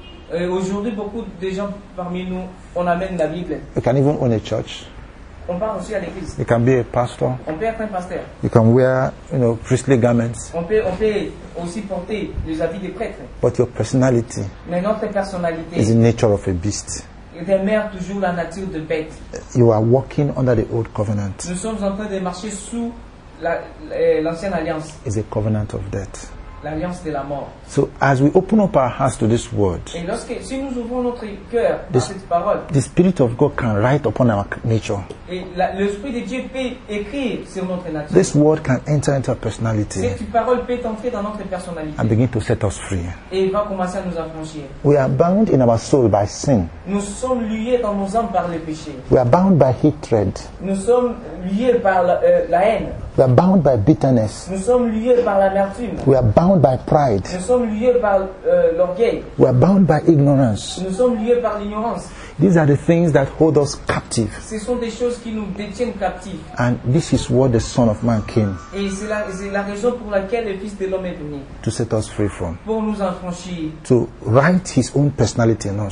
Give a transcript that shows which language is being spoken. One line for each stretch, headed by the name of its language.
French: Aujourd'hui, beaucoup de gens parmi nous, on amène la Bible.
English: You can even own a church.
French: On part aussi à l'église.
English: You can be a pastor.
French: On peut être un pasteur.
English: You can wear, you know, priestly garments.
French: On peut aussi porter les habits des prêtres.
English: But your personality,
French: mais notre personnalité,
English: is the nature of a beast.
French: Demeure toujours la nature de bête.
English: You are walking under the old covenant.
French: Nous sommes en train de marcher sous l'ancienne alliance.
English: It's a covenant of death.
French: L'alliance de la mort.
English: So as we open up our hearts to this word,
French: et lorsque, si nous ouvrons notre cœur à cette parole,
English: the Spirit of God can write upon our nature.
French: Et l'Esprit de Dieu peut écrire sur notre nature.
English: This word can enter into our personality.
French: Cette parole peut entrer dans notre personnalité.
English: And begin to set us free.
French: Et va commencer à nous affranchir.
English: We are bound in our soul by sin.
French: Nous sommes liés dans nos âmes par le péché.
English: We are bound by hatred.
French: Nous sommes liés par la haine.
English: We are bound by bitterness.
French: Nous sommes liés par l'amertume.
English: We are bound by pride.
French: Nous sommes liés par l'orgueil.
English: We are bound by ignorance.
French: Nous sommes liés par l'ignorance.
English: These are the things that hold us captive.
French: Ce sont des choses qui nous détiennent captifs.
English: And this is what the Son of Man came.
French: Et c'est la raison pour laquelle le Fils de l'homme est venu.
English: To set us free from.
French: Pour nous affranchir.
English: To write His own personality in us.